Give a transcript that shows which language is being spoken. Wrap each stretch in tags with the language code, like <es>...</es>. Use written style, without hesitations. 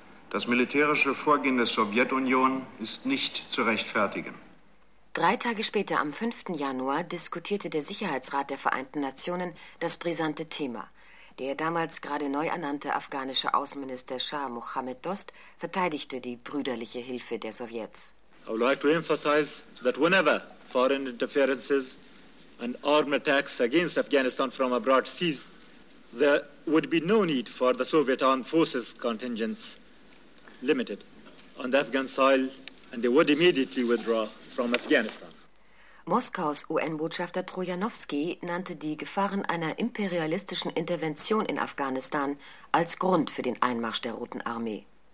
<de>Das militärische Vorgehen der Sowjetunion ist nicht zu rechtfertigen. 3 Tage später, am 5. Januar, diskutierte der Sicherheitsrat der Vereinten Nationen das brisante Thema. Der damals gerade neu ernannte afghanische Außenminister Shah Mohammed Dost verteidigte die brüderliche Hilfe der Sowjets.</de> <en>I would like to emphasize that whenever foreign interferences and armed attacks against Afghanistan from abroad cease, there would be no need for the Soviet Armed Forces contingents limited on the Afghan soil and they would immediately withdraw from Afghanistan.</en> <de>Moskaus UN-Botschafter Trojanowski nannte die Gefahren einer imperialistischen Intervention in Afghanistan als Grund für den Einmarsch der Roten Armee.</de>